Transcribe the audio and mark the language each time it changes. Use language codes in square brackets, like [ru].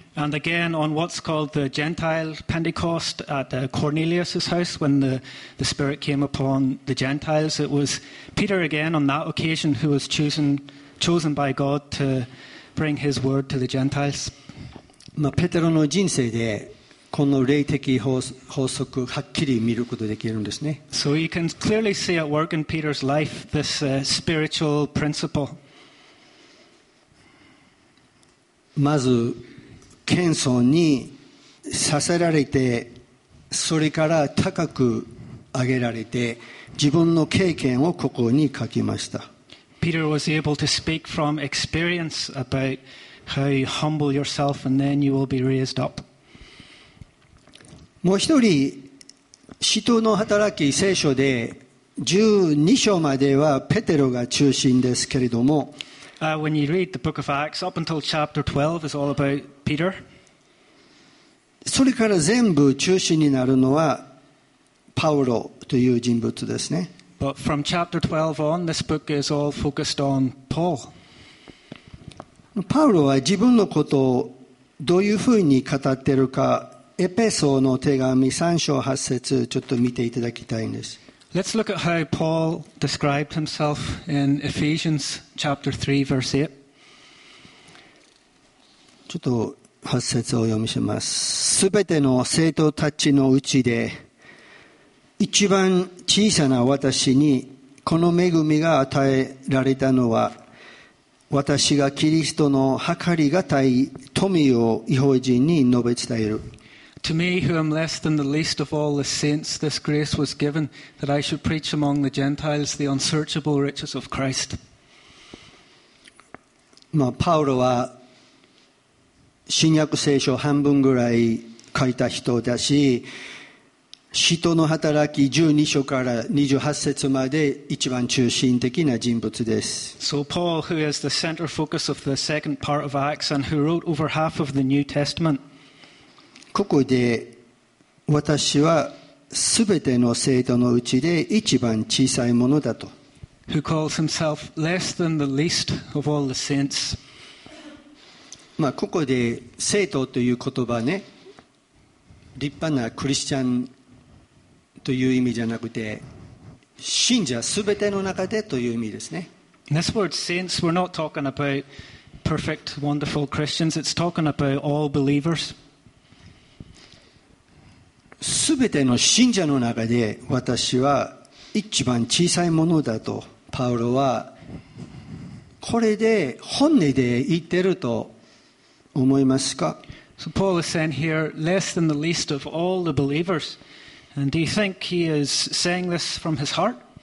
[en] And again on what's called the Gentile Pentecost at Cornelius' house when the Spirit came upon the Gentiles, it was Peter again on that occasion who was chosen by God to bring his word to the Gentiles. [ja] ペテロの人生でこの霊的法則をはっきり見ることができるんですね。 [en] So you can clearly see at work in Peter's life this spiritual principle. [ja] まず謙遜にさせられて、それから高く上げられて、自分の経験をここに書きました。 [en] Peter was able to speak from experience about how you humble yourself and then you will be raised up. [ja] もう一人、使徒の働き聖書で12章まではペテロが中心ですけれども、 [en] When you read the book of Acts, up until chapter 12 is all about Peter. [ja] それから全部中心になるのはパウロという人物ですね。 [en] But from chapter 12 on, this book is all focused on Paul. [ja] パウロは自分のことをどういうふうに語っているか、エペソの手紙3章8節ちょっと見ていただきたいんです。 [en] Let's look at how Paul described himself in Ephesians chapter 3 verse 8. [ja] ちょっと8節を読みします。すべての聖徒たちのうちで一番小さな私にこの恵みが与えられたのは、私がキリストの計りがたい富を異邦人に述べ伝える。 [en] To me, who am less than the least of all the saints, this grace was given that I should preach among the Gentiles the unsearchable riches of Christ. [ja] まあ、パウロは新約聖書半分ぐらい書いた人だし、使徒の働き12章から28節まで一番中心的な人物です。 [en] So Paul, who is the center focus of the second part of Acts and who wrote over half of the New Testament. [ja] ここで私は全ての聖徒のうちで一番小さいものだと。 [en] Who calls himself less than the least of all the saints. [ja] まあここで聖徒という言葉ね、立派なクリスチャンという意味じゃなくて、信者すべての中でという意味ですね。 [en] This word saints, we're not talking about perfect, wonderful Christians. It's talking about all believers. [ja] すべての信者の中で私は一番小さいものだと、パウロはこれで本音で言ってると思いますか？ [en] So Paul is saying here, less than the least of all the believers. And do you think he is saying this from his heart?